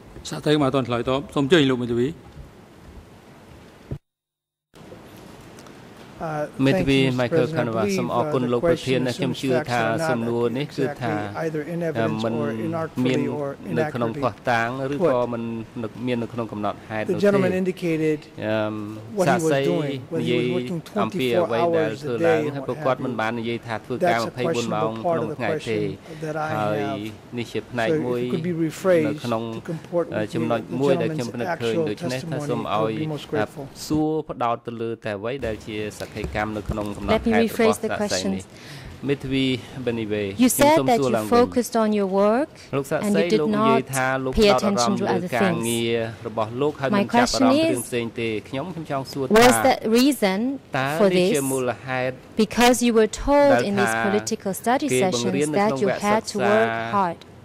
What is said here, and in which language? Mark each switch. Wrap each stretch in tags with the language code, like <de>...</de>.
<km>សាស្ត្រាចារ្យមកអត់ឆ្លើយតបសូមជើញលោកមេធាវី មេធាវី Michael Canova សូមអរគុណលោកប្រធានខ្ញុំជឿថាសំណួរនេះគឺថាមិនមាននៅក្នុងភស្តុតាងឬក៏មិនមាននៅក្នុងកំណត់ហេតុនោះទេ</km> <en>The gentleman indicated what he was doing when he was working 24 hours a day</en> <km>ហើយពួកគាត់មិនបាននិយាយថាធ្វើការ24ម៉ោងក្នុងថ្ងៃទេហើយនេះជាផ្នែកមួយនៅក្នុងចំណុចមួយដែលខ្ញុំពិនិត្យឃើញដូច្នេះថាសូមឲ្យសួរផ្ដោតទៅលើតែអ្វីដែលជាសកម្មភាពនៅក្នុងកំណត់ហេតុរបស់ខ្ញុំ</km> <en>Let me rephrase the question.</en> <km>មេធាវី Benivey</km> <en>You said that you focused on your work and you did not pay attention to other things.</en> <km>របស់លោកហើយមិនចាប់អារម្មណ៍រឿងផ្សេងទេខ្ញុំចង់សួរថា</km> <en>Was that reason for this?</en> <km>តើមានមូលហេតុ</km> <en>Because you were told in this political study session that you had to work hard.</en>